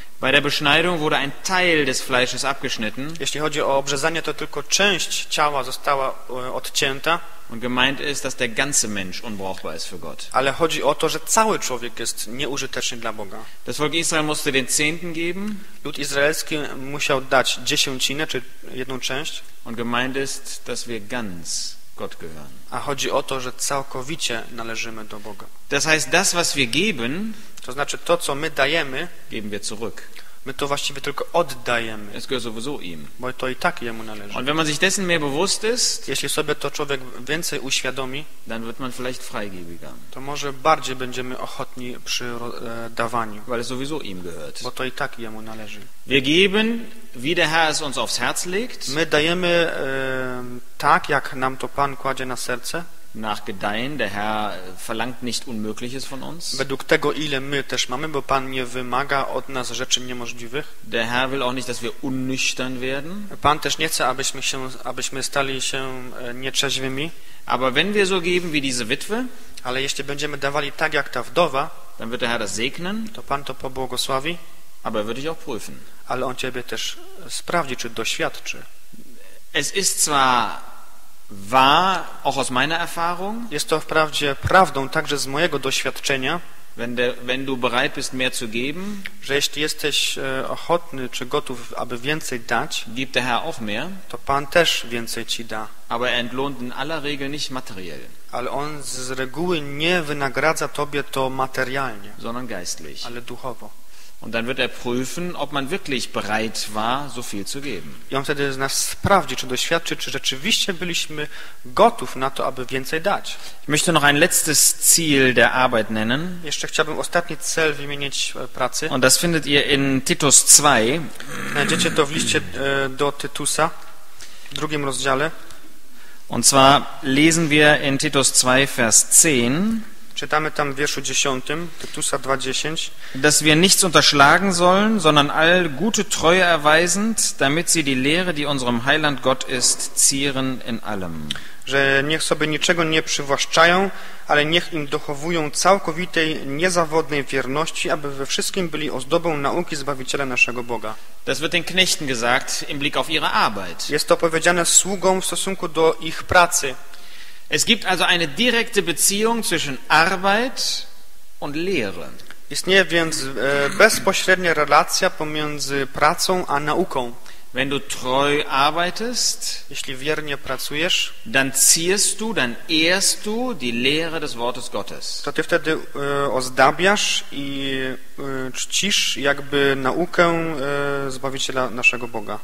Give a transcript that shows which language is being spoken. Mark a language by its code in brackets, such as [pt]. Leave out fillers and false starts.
[de] Bei der Beschneidung wurde ein Teil des Fleisches abgeschnitten. [pl] Jeśli chodzi o obrzezanie, to tylko część ciała została odcięta. [de] Und gemeint ist, dass der ganze Mensch unbrauchbar ist für Gott. [pl] Ale chodzi o to, że cały człowiek jest nieużyteczny dla Boga. [de] Das Volk Israel musste den Zehnten geben. [pl] Lud izraelski musiał dać dziesięcinę, czy jedną część. [de] Und gemeint ist, dass wir ganz Gott gehören. [pl] A chodzi o to, że całkowicie należymy do Boga. [de] Das heißt, das, was wir geben, [pl] to znaczy to, co my dajemy, [de] geben wir zurück. [pl] My to właściwie tylko oddajemy. [de] Es gehört sowieso ihm. [pl] Bo to i tak jemu należy. [de] Und wenn man sich dessen mehr bewusst ist, [pl] jeśli sobie to człowiek więcej uświadomi, [de] dann wird man vielleicht freigiebiger. [pl] To może bardziej będziemy ochotni przy dawaniu. [de] Weil es sowieso ihm gehört. [pl] Bo to i tak jemu należy. [de] Wir geben, wie der Herr es uns aufs Herz legt. [pl] My dajemy tak, jak nam to Pan kładzie na serce. [de] Nach Gedeihen, der Herr verlangt nicht Unmögliches von uns. [pl] Według tego, ile my też mamy, bo Pan nie wymaga od nas rzeczy niemożliwych. [de] Der Herr will auch nicht, dass wir unnüchtern werden. [pl] Pan też nie chce, abyśmy stali się nietrzeźwymi. [de] Aber wenn wir so geben wie diese Witwe, [pl] ale jeśli będziemy dawali tak jak ta wdowa, [de] dann wird der Herr das segnen, [pl] to Pan to pobłogosławi, [de] aber wird dich auch prüfen. [pl] Ale on ciebie też sprawdzi, czy doświadczy. [de] Es ist zwar war auch aus meiner Erfahrung, [pl] jest to wprawdzie prawdą także z mojego doświadczenia, [de] wenn du bereit bist, mehr zu geben, [pl] że jeśli jesteś ochotny czy gotów, aby więcej dać, [de] gibt der Herr auch mehr, [pl] to Pan też więcej ci da. [de] Aber er entlohnt in aller Regel nicht materiell. [pl] Ale on z reguły nie wynagradza tobie to materialnie, [de] sondern geistlich. [pl] Ale duchowo. [de] Und dann wird prüfen, ob man wirklich bereit war, so viel zu geben. [pl] I on wtedy nas sprawdzi, czy doświadczy, czy rzeczywiście byliśmy gotów na to, aby więcej dać. [de] Ich möchte noch ein letztes Ziel der Arbeit nennen. [pl] Jeszcze chciałbym ostatni cel wymienić pracy. [de] Und das findet ihr in Titus 2. [pl] Znajdziecie to w liście do Tytusa, w drugim rozdziale. [de] Und zwar lesen wir in Titus 2, Vers 10. [pl] Czytamy tam w wierszu 10, Tytusa 2:10, [de] dass wir nichts unterschlagen sollen, sondern all gute Treue erweisend, damit sie die Lehre, die unserem Heiland Gott ist, zieren in allem. [pl] Że niech sobie niczego nie przywłaszczają, ale niech im dochowują całkowitej, niezawodnej wierności, aby we wszystkim byli ozdobą nauki Zbawiciela naszego Boga. [de] Das wird den Knechten gesagt im Blick auf ihre Arbeit. [pl] Jest to powiedziane sługom w stosunku do ich pracy. [de] Es gibt also eine direkte Beziehung zwischen Arbeit und Lehre. [pl] Istnieje więc bezpośrednia relacja pomiędzy pracą a nauką. [de] Wenn du treu arbeitest, [pl] jeśli wiernie pracujesz, [de] dann ziehst du, dann ehrst du die Lehre des Wortes Gottes. [pl] To ty wtedy ozdabiasz i czcisz jakby naukę Zbawiciela naszego Boga.